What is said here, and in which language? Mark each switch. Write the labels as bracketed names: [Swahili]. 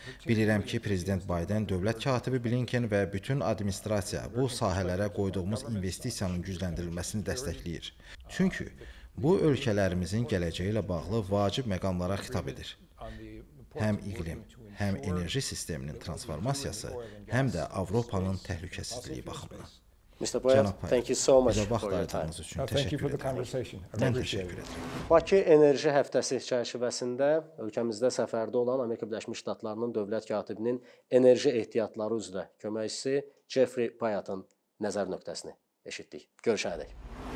[Azerbaijani] Bilirəm ki, Prezident Biden, dövlət katibi Blinken və bütün administrasiya bu sahələrə qoyduğumuz investisiyanın gücləndirilməsini dəstəkləyir. Çünki bu ölkələrimizin gələcəyi ilə bağlı vacib məqamlara xitab edir. Həm iqlim, həm enerji sisteminin transformasiyası, həm də Avropanın təhlükəsizliyi baxımından. [English] Mr. Boyd, thank you so much for your time. Thank you for the conversation. [Azerbaijani] Mən təşəkkür edirəm. Bakı Enerji Həftəsi çərçivəsində ölkəmizdə səfərdə olan Amerika Birləşmiş Ştatlarının dövlət katibinin enerji ehtiyatları üzrə köməkçisi Jeffrey Payatın nəzər nöqtəsini eşitdik. Görüşənədək.